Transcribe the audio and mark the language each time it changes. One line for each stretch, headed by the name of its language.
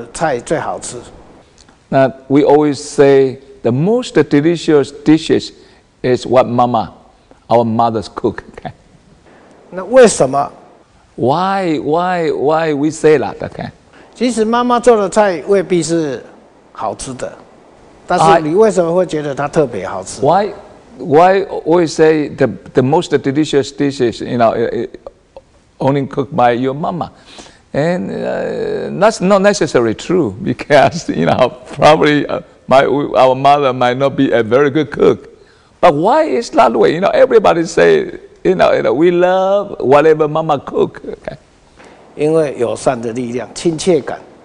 Chinese: 我们常说哈，妈妈的菜最好吃。
English: Now we always say the most delicious dishes is what mama, our mothers cook. Okay.
Chinese: 那为什么
English: ？Why we say that? Okay.
Chinese: 其实妈妈做的菜未必是好吃的，但是你为什么会觉得它特别好吃
English: ？Why we say the most delicious dishes? You know. Only cooked by your mama, and that's not necessarily true because you know probably our mother might not be a very good cook. But why is that way? You know, everybody say you know we love whatever mama cook. Okay.
Chinese: 因为友善的力量，亲切感.